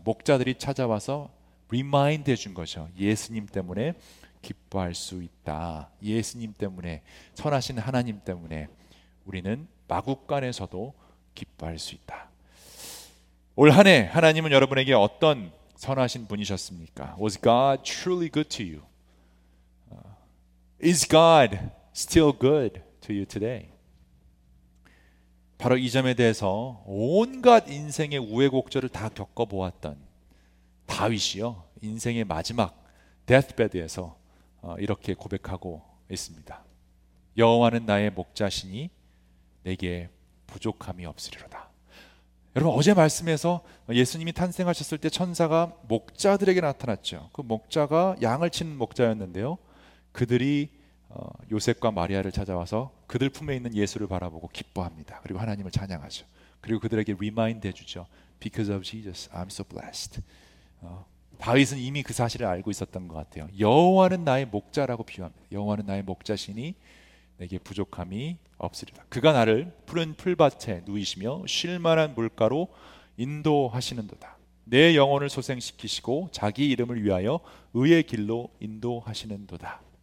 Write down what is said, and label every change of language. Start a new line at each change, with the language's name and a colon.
Korean: 목자들이 찾아와서 리마인드 해준 거죠. 예수님 때문에 기뻐할 수 있다. 예수님 때문에 선하신 하나님 때문에 우리는 마구간에서도 기뻐할 수 있다. 올 한 해 하나님은 여러분에게 어떤 선하신 분이셨습니까?
English: Was God truly good to you? Is God still good to you today?
Korean: 바로 이 점에 대해서 온갖 인생의 우회곡절을 다 겪어보았던 다윗이요 인생의 마지막 데스베드에서 이렇게 고백하고 있습니다. 여호와는 나의 목자시니 내게 부족함이 없으리로다. 여러분 어제 말씀에서 예수님이 탄생하셨을 때 천사가 목자들에게 나타났죠. 그 목자가 양을 치는 목자였는데요. 그들이 요셉과 마리아를 찾아와서 그들 품에 있는 예수를 바라보고 기뻐합니다. 그리고 하나님을 찬양하죠. 그리고 그들에게 리마인드 해주죠.
English: Because of Jesus, I'm so blessed.
Korean: 다윗은 이미 그 사실을 알고 있었던 것 같아요. 여호와는 나의 목자라고 비유합니다. 여호와는 나의 목자시니 내게 부족함이 없으리라. 그가 나를 푸른 풀밭에 누이시며 쉴만한 물가로 인도하시는도다. 내 영혼을 소생시키시고 자기 이름을 위하여 의의 길로 인도하시는도다.